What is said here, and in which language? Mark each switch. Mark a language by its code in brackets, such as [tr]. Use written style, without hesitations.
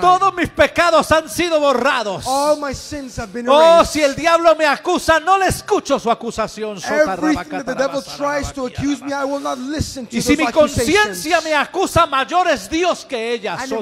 [es] Todos mis pecados han sido borrados. [en] All my sins have been erased. [es] Oh, si el diablo me acusa, no le escucho su acusación. [en] Everything that the devil tries to accuse me, I will not listen to those. [es] Mi conciencia me acusa, mayor es Dios que ella.